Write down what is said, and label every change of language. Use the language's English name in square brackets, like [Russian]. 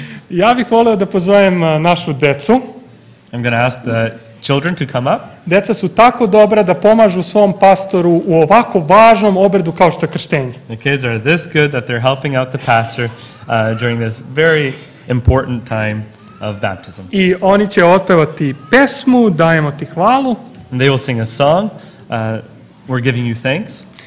[Serbian] Ja bih voleo da pozovem našu decu. [English] I'm going to ask the children to come up. [Serbian] Deca su tako dobra da pomažu svom pastoru u ovako važnom obredu kao što je krštenje. [English] The kids are this good that they're helping out the pastor during this very important time of baptism. [Serbian] I oni će otpevati pesmu, dajemo ti hvalu. [English] And they will sing a song, we're giving you thanks.